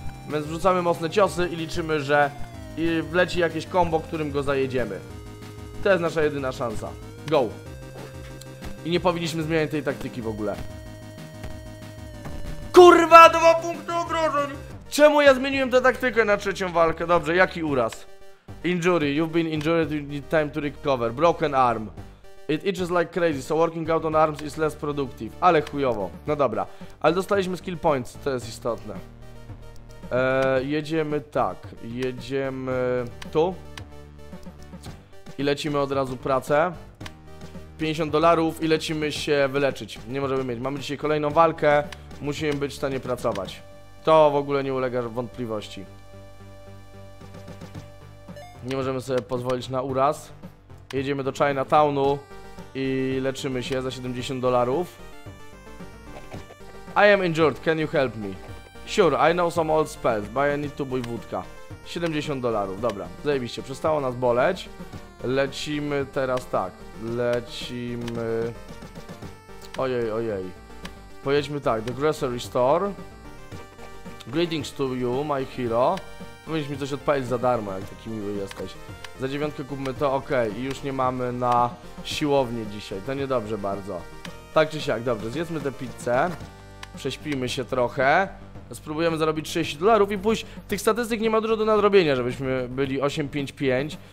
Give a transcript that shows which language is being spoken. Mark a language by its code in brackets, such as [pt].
[pl] Więc wrzucamy mocne ciosy i liczymy, że wleci jakieś kombo, którym go zajedziemy. To jest nasza jedyna szansa. Go! I nie powinniśmy zmieniać tej taktyki w ogóle. Kurwa, 2 punkty obrażeń! Czemu ja zmieniłem tę taktykę na trzecią walkę? Dobrze, jaki uraz? [en] Injury, you've been injured, you need time to recover. Broken arm. It itches like crazy, so working out on arms is less productive. [pl] Ale chujowo, no dobra. Ale dostaliśmy skill points, to jest istotne. Jedziemy tak, jedziemy tu. I lecimy od razu pracę. $50 i lecimy się wyleczyć. Nie możemy mieć, mamy dzisiaj kolejną walkę. Musimy być w stanie pracować. To w ogóle nie ulega wątpliwości. Nie możemy sobie pozwolić na uraz. Jedziemy do Chinatownu i leczymy się za $70. [en] I am injured, can you help me? Sure, I know some old spells, but I need to buy wódka. [pl] $70, dobra, zajebiście, przestało nas boleć. Lecimy teraz tak, lecimy... Ojej, ojej. Pojedźmy tak, [en] the grocery store. Greetings to you, my hero. [pl] Powinniśmy coś odpalić za darmo, jak taki miły jesteś. Za 9 kupmy to, okej. I już nie mamy na siłownię dzisiaj. To niedobrze bardzo. Tak czy siak, dobrze, zjedzmy tę pizzę. Prześpimy się trochę. Spróbujemy zarobić $60 i pójść. Tych statystyk nie ma dużo do nadrobienia, żebyśmy byli 8-5-5.